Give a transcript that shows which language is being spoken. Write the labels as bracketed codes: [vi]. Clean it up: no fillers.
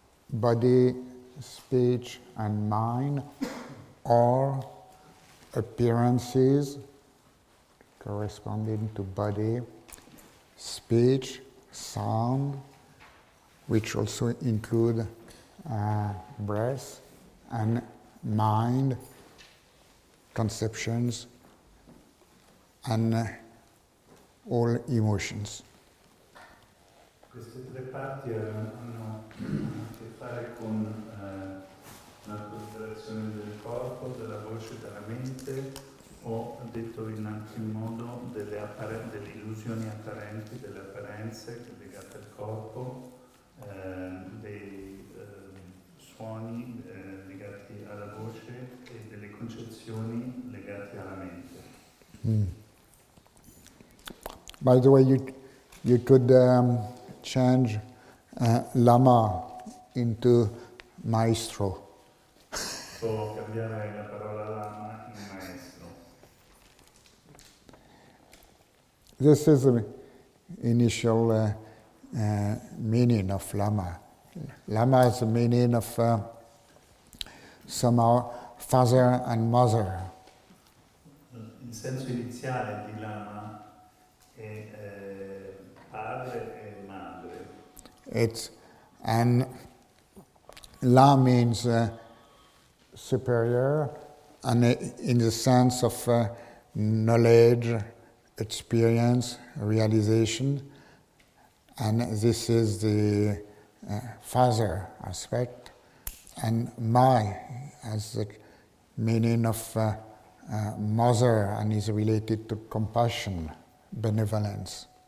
[en] body, speech, and mind, or appearances corresponding to body, speech, sound, which also include breath and mind, conceptions, and all emotions. [it] Queste tre parti hanno a che fare con la considerazione del corpo, della voce, della mente, o detto in altro modo delle illusioni apparenti, delle apparenze legate al corpo. Dei suoni legati alla voce e delle concezioni legate alla mente. [en] By the way, you could change lama into maestro. [it] Può cambiare la parola lama in maestro. [en] This is the initial meaning of lama. Lama is the meaning of somehow father and mother. [it] Il senso iniziale di lama è padre e madre. [en] And la means superior, and in the sense of knowledge, experience, realization, and this is the father aspect, and my as the meaning of mother, and is related to compassion, benevolence.